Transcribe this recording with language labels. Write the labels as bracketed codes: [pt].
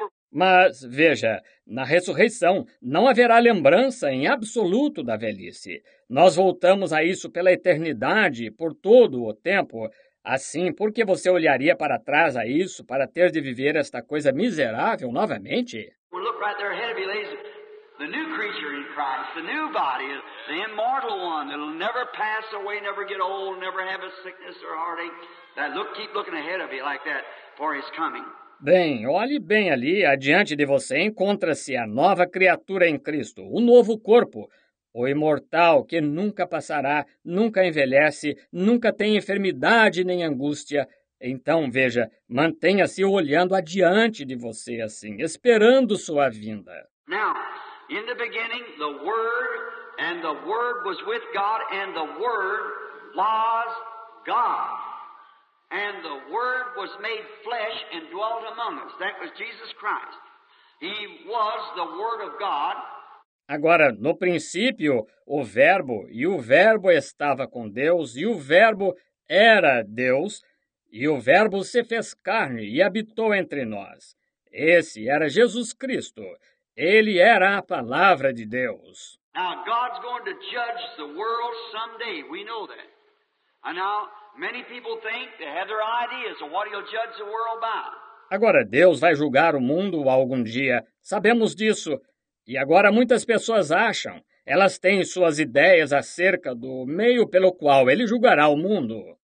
[pt] Mas, veja, na ressurreição não haverá lembrança em absoluto da velhice. Nós voltamos a isso pela eternidade, por todo o tempo. Assim, por que você olharia para trás a isso, para ter de viver esta coisa miserável novamente? [en] We'll look right there ahead of you, ladies. The new creature in Christ, the new body, the immortal one, that'll never pass away, never get old, never have a sickness or heartache. That look, keep looking ahead of you like that for his coming. [pt] Bem, olhe bem ali, adiante de você encontra-se a nova criatura em Cristo, o novo corpo, o imortal que nunca passará, nunca envelhece, nunca tem enfermidade nem angústia, Então, veja, mantenha-se olhando adiante de você assim, esperando sua vinda. [en] Now, in the beginning, the Word, and the Word was with God, and the Word was God. And the Word was made flesh and dwelt among us. That was Jesus Christ. He was the Word of God. [pt] Agora, no princípio, o Verbo, e o Verbo estava com Deus, e o Verbo era Deus, e o Verbo se fez carne e habitou entre nós. Esse era Jesus Cristo. Ele era a palavra de Deus. [en] Now, God's going to judge the world someday. We know that. And now, many people think they have their ideas of what he'll judge the world by. [pt] Agora, Deus vai julgar o mundo algum dia. Sabemos disso. E agora muitas pessoas acham, elas têm suas ideias acerca do meio pelo qual ele julgará o mundo.